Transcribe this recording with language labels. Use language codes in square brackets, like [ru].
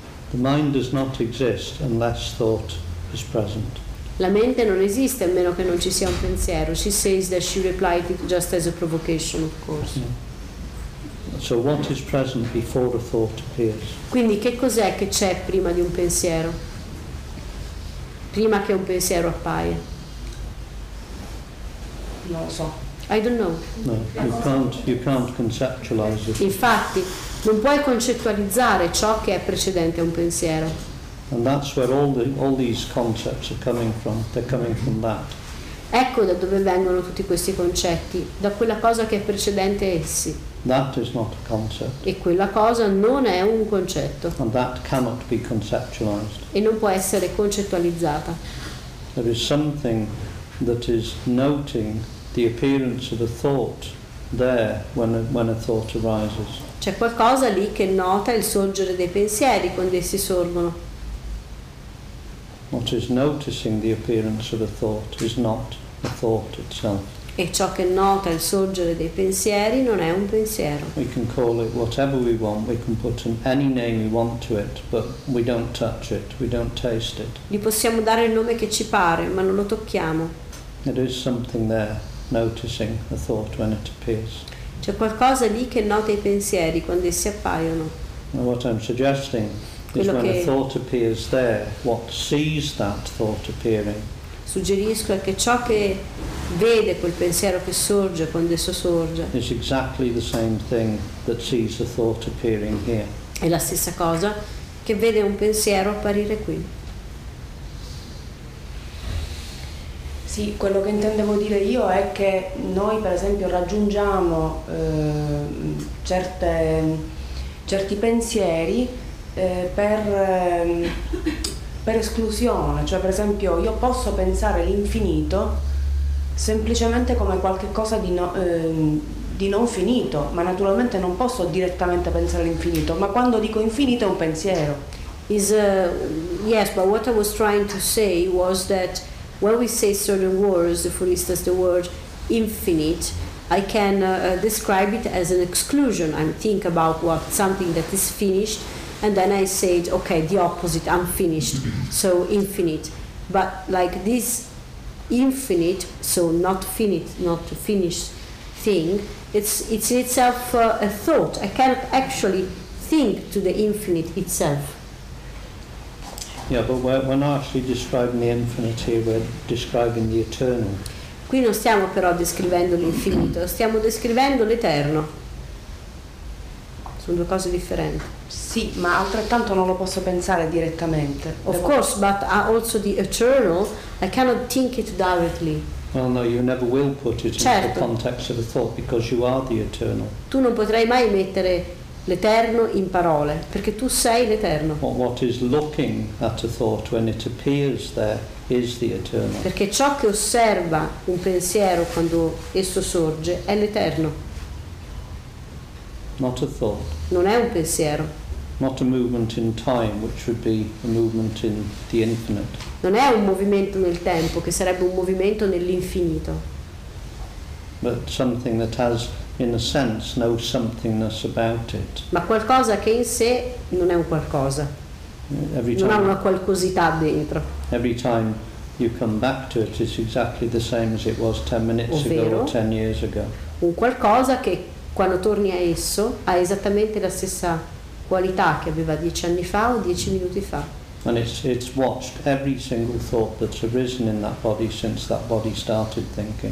[en] The mind does not exist unless thought is present. [it] La mente non esiste a meno che non ci sia un pensiero. [en] She says that she replied it just as a provocation, of course. No. So what is present before a thought appears? [it] Quindi che cos'è che c'è prima di un pensiero? Prima che un pensiero appaia? Non lo so. [en] I don't know. No, you can't conceptualize it. [it] Infatti, non puoi concettualizzare ciò che è precedente a un pensiero. [en] And that's where all these concepts are coming from. They're coming from that. [it] Ecco da dove vengono tutti questi concetti, da quella cosa che è precedente a essi. [en] That is not a concept. [it] E quella cosa non è un concetto. [en] And that cannot be conceptualized. [it] E non può essere concettualizzata. [en] There is something that is noting the appearance of a thought there when a thought arises. [it] C'è qualcosa lì che nota il sorgere dei pensieri quando essi sorgono. [en] What is noticing the appearance of a thought is not a thought itself. [it] E ciò che nota il sorgere dei pensieri non è un pensiero. [en] We can call it whatever we want, we can put any name we want to it, but we don't touch it, we don't taste it. [it] Gli possiamo dare il nome che ci pare, ma non lo tocchiamo. [en] There is something there, noticing a thought when it appears. [it] C'è qualcosa lì che nota i pensieri quando essi appaiono. [en] And what I'm suggesting is when a thought appears there, what sees that thought appearing. [it] Suggerisco è che ciò che vede quel pensiero che sorge quando esso sorge. [en] It's exactly the same thing that sees the thought appearing here. [it] È la stessa cosa che vede un pensiero apparire qui. Sì, quello che intendevo dire io è che noi, per esempio, raggiungiamo certi pensieri per esclusione, cioè per esempio io posso pensare l'infinito semplicemente come qualcosa di non finito, ma naturalmente non posso direttamente pensare l'infinito, ma quando dico infinito è un pensiero. [en] Yes, but what I was trying to say was that when we say certain words, for instance the word infinite, I can describe it as an exclusion. I think about what something that is finished, and then I said, okay, the opposite, unfinished, so infinite. But like this infinite, so not finite, not finished thing, it's in itself a thought. I can't actually think to the infinite itself. Yeah, but we're not actually describing the infinite here, we're describing the eternal. [it] Qui non stiamo però descrivendo l'infinito, stiamo descrivendo l'eterno. Sono due cose differenti. Sì, ma altrettanto non lo posso pensare direttamente. [en] Of course, but also the eternal, I cannot think it directly. Well, no, you never will put it [it] certo. [en] In the context of a thought because you are the eternal. [it] Tu non potrai mai mettere l'eterno in parole perché tu sei l'eterno. [en] Well, what is looking at a thought when it appears there is the eternal. [it] Perché ciò che osserva un pensiero quando esso sorge è l'eterno. [en] Not a thought. [it] Non è un pensiero. [en] Not a movement in time, which would be a movement in the infinite. [it] Non è un movimento nel tempo, che sarebbe un movimento nell'infinito. [en] But something that has, in a sense, no somethingness about it. [it] Ma qualcosa che in sé non è un qualcosa. [en] Every time, [it] non ha una qualcosità dentro. [en] Every time you come back to it, it's exactly the same as it was 10 minutes [it] ovvero, [en] ago or 10 years ago. [it] Un qualcosa che quando torni a esso ha esattamente la stessa qualità che aveva 10 anni fa o 10 minuti fa. [en] And it's watched every single thought that's arisen in that body since that body started thinking.